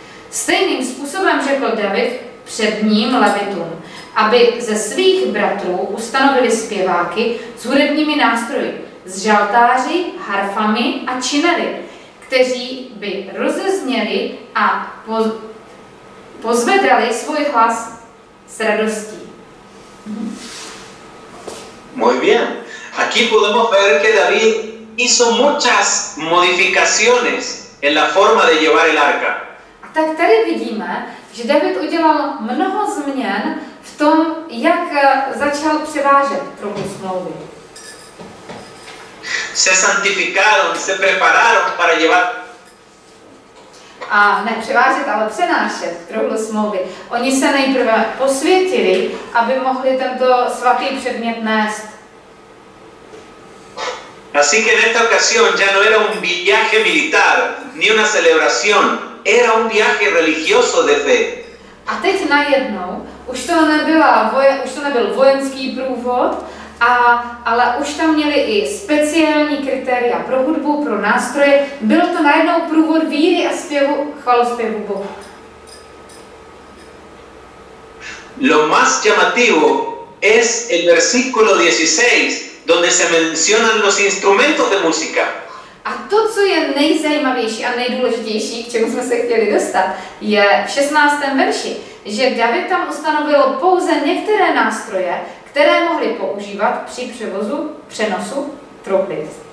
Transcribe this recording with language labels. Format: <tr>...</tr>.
<cs>Stejným způsobem řekl David předním levitům, aby ze svých bratrů ustanovili zpěváky s hudebními nástroji, s žaltáři, harfami a činely, kteří by rozezněli a pozvedali svůj hlas s radostí.</cs> <es>Muy bien. Aquí podemos ver que David hizo muchas modificaciones en la forma de llevar el arca.</es> <cs>A tak tady vidíme, že David udělal mnoho změn v tom, jak začal převážet truhlu smlouvy.</cs> <es>Se santificaron, se prepararon para llevar.</es> <cs>A ne převážet, ale přenášet truhlu smlouvy. Oni se nejprve posvětili, aby mohli tento svatý předmět nést.</cs> <es>Así que en esta ocasión ya no era un viaje militar, ni una celebración, era un viaje religioso de fe.</es> <cs>A teď najednou, už to nebyl vojenský průvod, ale už tam měli i speciální kritéria pro hudbu, pro nástroje. Byl to najednou průvod víry a zpěvu, chvalospěvu Bohu.</cs> <es>Lo más llamativo es el versículo 16, donde se mencionan los instrumentos de música.</es> <cs>A to, co je nejzajímavější a nejdůležitější, k čemu jsme se chtěli dostat, je v 16. verši, že David tam ustanovil pouze některé nástroje, které mohli používat při převozu, přenosu trofeje.</cs>